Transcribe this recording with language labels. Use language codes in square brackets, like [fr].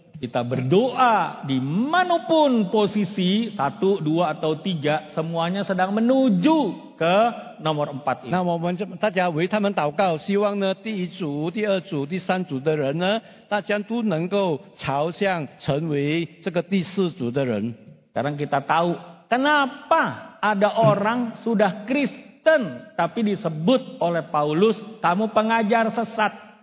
[id] Kita berdoa dimanapun posisi 1, 2, atau 3, semuanya sedang menuju ke nomor 4 ini. [zh] 那我们大家为他们祷告，希望呢第一组、第二组、第三组的人呢，大家都能够朝向成为这个第四组的人。 [id] Sekarang kita tahu kenapa ada orang sudah Kristen tapi disebut oleh Paulus kamu pengajar sesat.